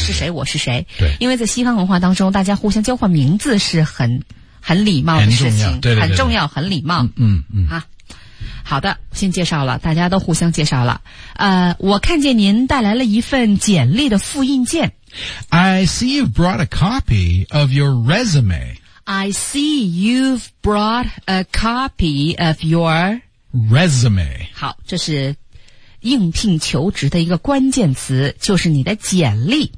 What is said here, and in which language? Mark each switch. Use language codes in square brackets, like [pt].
[zh] 你是谁，我是谁。对，因为在西方文化当中，大家互相交换名字是很礼貌的事情，很重要，对对对，很重要，很礼貌。啊。好的，先介绍了，大家都互相介绍了。我看见您带来了一份简历的复印件。 [en] I see you've brought a copy of your resume. I see you've brought a copy of your resume. [zh] 好，这是应聘求职的一个关键词，就是你的简历。